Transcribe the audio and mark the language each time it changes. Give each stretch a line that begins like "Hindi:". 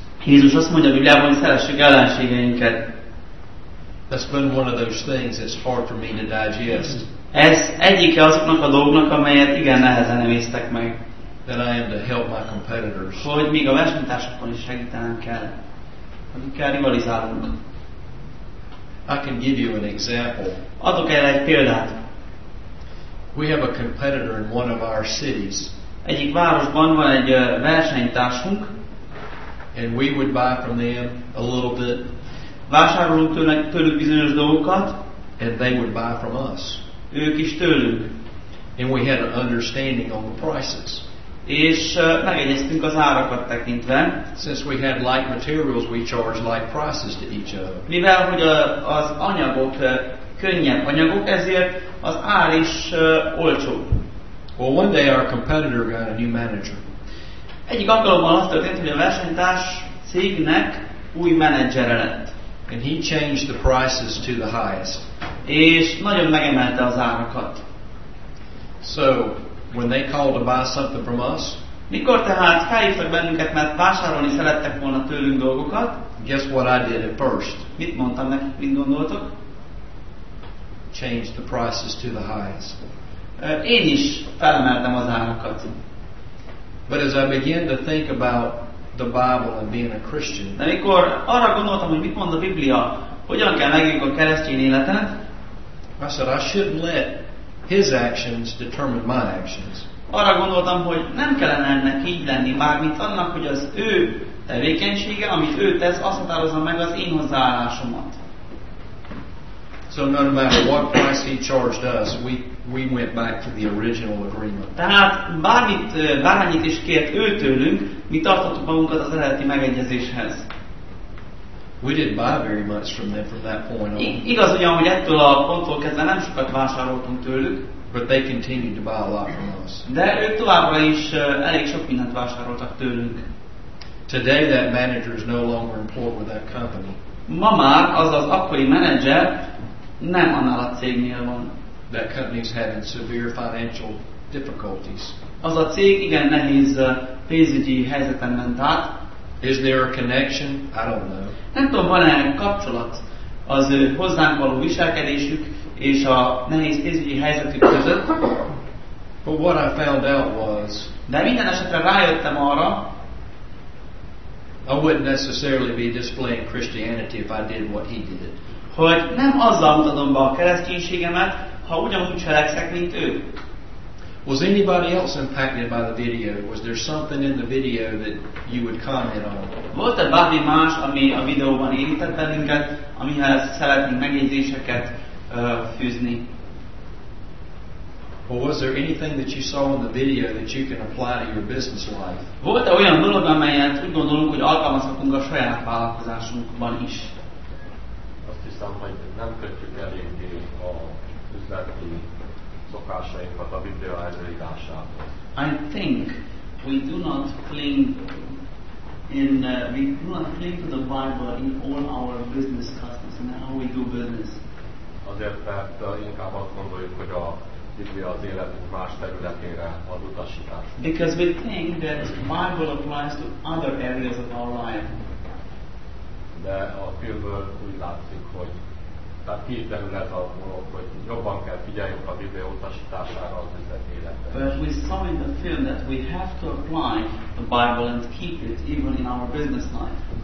Hungarian: Jézus azt mondja a Bibliában, hogy szeressük ellenségeinket.
English: That's been one of those things that's hard for me to digest.
Hungarian: Ez egyike azoknak a dolgoknak, amelyet igen nehezen emésztek meg.
English: That I am to help my competitors.
Hungarian: Hogy még a versenytársakon is segítenem kell, akikkel rivalizálunk.
English: I can give you an example.
Hungarian: Adok el egy példát.
English: We have a competitor in one of our cities.
Hungarian: Egyik városban van egy versenytársunk.
English: And we would buy from them a little bit.
Hungarian: Vásárolunk tőlük bizonyos dolgokat.
English: And they would buy from us.
Hungarian: Ők is tőlünk.
English: And we had an understanding on the prices.
Hungarian: És megegyeztünk az árakat tekintve.
English: Since we had like materials, we charge like prices to each other.
Hungarian: Mivel hogy az anyagok könnyebb anyagok, ezért az ár is olcsóbb.
English: Well, one day our competitor got a new manager.
Hungarian: Egyik alkalommal azt történt, hogy a versenytárs cégnek új menedzsere lett.
English: And he changed the prices to the highest.
Hungarian: És nagyon megemelte az árakat.
English: So when they called to buy something from us,
Hungarian: mikor tehát felhívtak bennünket, mert vásárolni szerettek volna tőlünk dolgokat,
English: guess what I did at first?
Hungarian: Mit mondtam nekik, mit gondoltok?
English: Change the prices to the highest.
Hungarian: Én is felemeltem az árakat.
English: But as I began to think about the Bible and being a Christian,
Hungarian: de mikor arra gondoltam, hogy mit mond a Biblia, hogyan kell megélni a keresztény életet,
English: I said I shouldn't let his actions determine my actions.
Hungarian: Arra gondoltam, hogy nem kellene ennek így lenni, mármint annak, hogy az ő tevékenysége, amit ő tesz, azt határozza meg az én hozzáállásomat.
English: So no matter what price he charged us, we went back to the original agreement.
Hungarian: Tehát bármit is kért ő tőlünk, mi tartottuk magunkat az eredeti megegyezéshez.
English: We didn't buy very much from them from that point on.
Hungarian: Igaz ugyan, hogy ettől a ponttól kezdve nem sokat vásároltunk tőlük.
English: But they continued to buy a lot from us.
Hungarian: De ők továbbra is elég sok mindent vásároltak tőlünk.
English: Today that manager is no longer employed with that company.
Hungarian: Ma már, azaz akkori menedzser nem annál a cégnél van.
English: That company is having severe financial difficulties.
Hungarian: Az a cég igen nehéz pénzügyi helyzeten ment át.
English: Is there a connection? I don't know.
Hungarian: Nem tudom, van-e kapcsolat az hozzánk való viselkedésük és a nehéz pénzügyi helyzetük között.
English: But what I found out was,
Hungarian: de minden esetre rájöttem arra,
English: I wouldn't necessarily be displaying Christianity if I did what he did.
Hungarian: Hogy nem azzal mutatom be a kereszténységemet, ha ugyanúgy cselekszek, mint ő.
English: Was anybody else impacted by the video? Was there something in the video that you would comment on?
Hungarian: Volt-e bármi más, ami a videóban érintett bennünket, amihez szeretnénk megjegyzéseket fűzni?
English: Or was there anything that you saw in the video that you can apply to your business life?
Hungarian: Volt-e olyan dolog, amelyet úgy gondolunk, hogy alkalmazhatunk a saját vállalkozásunkban is? Azt hiszem, hogy nem kötjük eléggé a üzleti szokásainkat a Biblia előírásához.
English: I think we do not cling in we do not cling to the Bible in all our business customs and how we do business.
Hungarian: azért, mert inkább azt gondoljuk, hogy a Biblia az életünk más területére ad utasítást.
English: Because we think that Bible applies to other areas of our life.
Hungarian: De a Bibliából úgy látszik, hogy tehát két terület a dolog, hogy jobban kell figyeljünk a Biblia utasítására az üzleti életben.
English: But we saw in the film that we have to apply the Bible and keep it even in our business life.